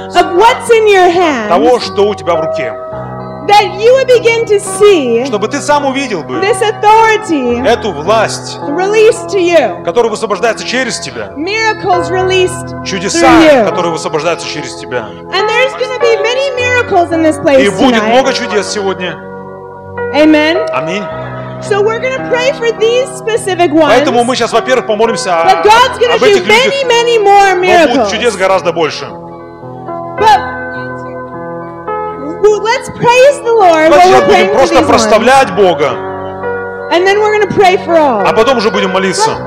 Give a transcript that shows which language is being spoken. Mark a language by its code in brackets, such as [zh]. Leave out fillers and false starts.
[en] Of what's in your hands. [ru] Того, что у тебя в руке. [en] That you would begin to see. [ru] Чтобы ты сам увидел бы. [en] This authority. [ru] Эту власть. [en] Released to you. [ru] Которая высвобождается через тебя. [en] Miracles released. [ru] Чудеса, которые высвобождаются через тебя. [en] And there's gonna be many miracles in this place tonight. [ru] И будет много чудес сегодня. [en] Amen. [ru] Аминь. [en] So we're gonna pray for these specific ones. [ru] Поэтому мы сейчас, во-первых, помолимся об этих людях. [en] But God's gonna do many more miracles. [ru] Но будет чудес гораздо больше. [en] But let's praise the Lord. [ru] Давайте сейчас будем просто прославлять Бога. [en] And then we're gonna pray for all. [ru] А потом уже будем молиться.